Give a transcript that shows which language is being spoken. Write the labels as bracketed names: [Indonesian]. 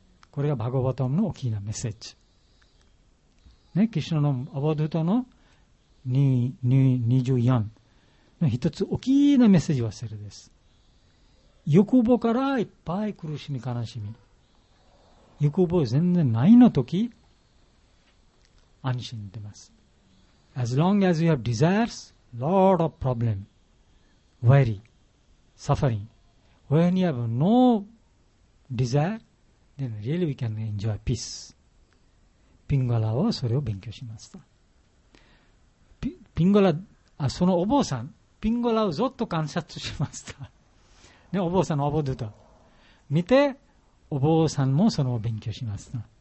[Japanese] これがバゴバトムの大きなメッセージ、ね、クリシュナのアバドゥタの24の一つ大きなメッセージはそれです。欲望からいっぱい苦しみ悲しみ、欲望全然ないの時安心出ます。 [English] As long as you have desires, lot of problem, worry, sufferingWhen you have no desire, then really we can enjoy peace. [Japanese] ピンゴラはそれを勉強しました。そのお坊さん、ピンゴラをずっと観察しました。ね、お坊さんのアボドゥタ。見て、お坊さんもそれを勉強しました。